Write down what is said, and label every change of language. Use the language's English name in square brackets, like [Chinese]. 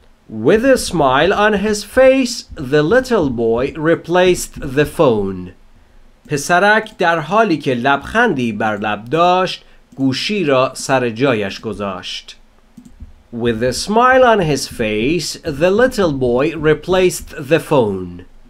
[English] With a smile on his face, the little boy replaced the phone. [Persian] پسرک در حالی که لبخندی بر لب داشت، گوشی را سر جایش گذاشت. [English] With a smile on his face, the little boy replaced the phone.